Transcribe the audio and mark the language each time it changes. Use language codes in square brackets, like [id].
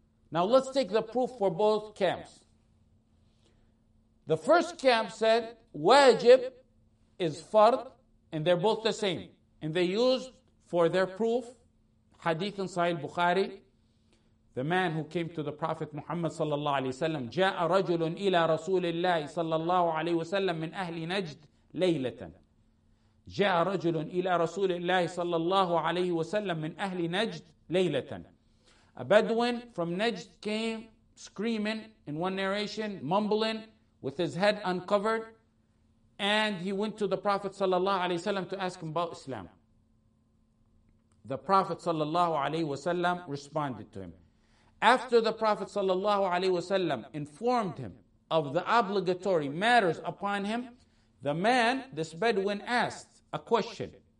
[en] Now let's take the proof for both camps. The first camp said wajib is fard, and they're both the same. And they used for their proof hadith in Sahih Bukhari, the man who came to the Prophet Muhammad sallallahu alaihi wasallam, جاء رجل إلى رسول الله صلى الله عليه وسلم من أهل نجد ليلة. [ar] جاء رجل إلى رسول الله صلى الله عليه وسلم من أهل نجد ليلة. [en] A Bedouin from Najd came screaming in one narration, mumbling with his head uncovered, and he went to the Prophet sallallahu alaihi wasallam to ask him about Islam. The Prophet sallallahu alaihi wasallam responded to him. After the Prophet sallallahu alaihi wasallam informed him of the obligatory matters upon him, the man, this Bedouin, asked a question.